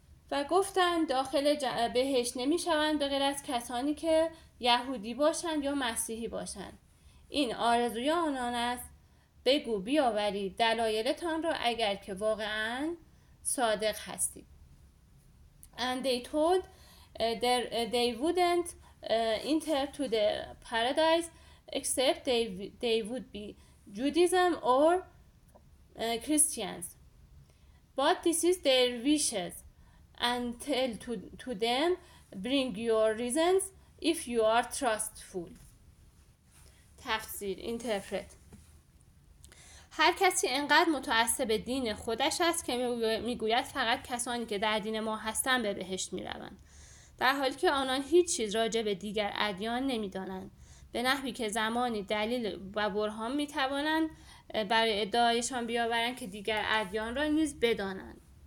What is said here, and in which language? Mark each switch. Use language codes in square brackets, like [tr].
[fa] و گفتند داخل بهشت نمی شوند به غیر از کسانی که یهودی باشند یا مسیحی باشند. این آرزوی آنان است. بگو بیاورید دلایلتان را اگر که واقعا صادق هستید. [en] And they told they wouldn't enter to the paradise except they would be Judaism or Christians. But this is their wishes. And tell to them, bring your reasons if you are trustful. [fa] تفسیر [en] interpret. [fa] هر کسی انقدر متعصب دین خودش است که میگوید فقط کسانی که در دین ما هستند به بهشت میروند، در حالی که آنان هیچ چیز راجع به دیگر ادیان نمیدانند، به نحوی که زمانی دلیل و برهان میتوانند برای ادعایشان بیاورند که دیگر ادیان را نیز بدانند